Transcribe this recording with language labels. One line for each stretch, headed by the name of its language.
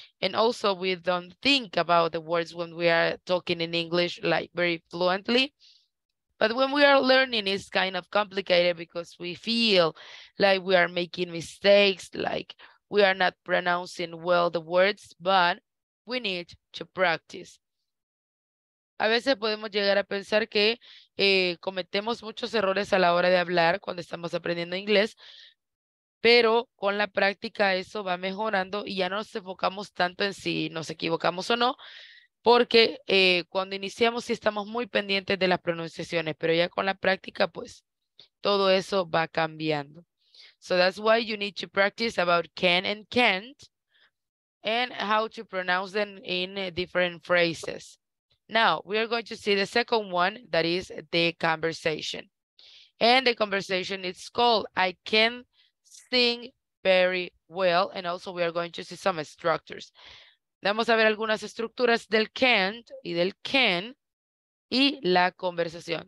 English: And also we don't think about the words when we are talking in English like very fluently. But when we are learning, it's kind of complicated because we feel like we are making mistakes, like we are not pronouncing well the words, but we need to practice.
Spanish: A veces podemos llegar a pensar que cometemos muchos errores a la hora de hablar cuando estamos aprendiendo inglés, pero con la práctica eso va mejorando y ya no nos enfocamos tanto en si nos equivocamos o no. Porque cuando iniciamos sí estamos muy pendientes de las pronunciaciones, pero ya con la práctica, pues, todo eso va cambiando.
English: So that's why you need to practice about can and can't and how to pronounce them in different phrases. Now, we are going to see the second one, that is the conversation. And the conversation is called I can sing very well. And also we are going to see some structures.
Spanish: Vamos a ver algunas estructuras del can't y del can y la conversación.